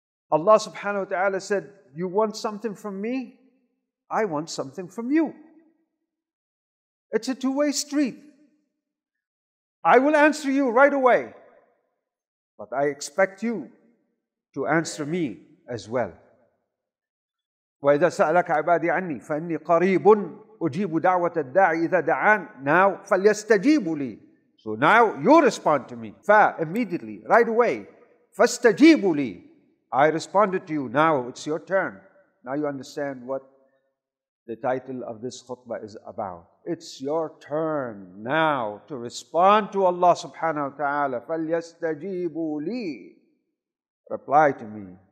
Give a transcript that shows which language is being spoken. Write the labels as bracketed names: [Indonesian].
[English] Allah subhanahu wa ta'ala said, you want something from me? I want something from you. It's a two-way street. I will answer you right away. But I expect you to answer me as well. [Arabic] وَإِذَا سَأَلَكَ عِبَادِي عَنِّي فَإِنِّي قَرِيبٌ أُجِيبُ دَعْوَةَ الدَّاعِ إِذَا دَعَانَ [English] Now, [Arabic] فَلْيَسْتَجِيبُ لِي [English] So now, you respond to me. Immediately, right away. [Arabic] فَاسْتَجِيبُ لِي [English] I responded to you. Now, it's your turn. Now you understand what the title of this khutbah is about. It's your turn now to respond to Allah subhanahu wa ta'ala. [Arabic] فَلْيَسْتَجِيبُوا لِي [English] Reply to me.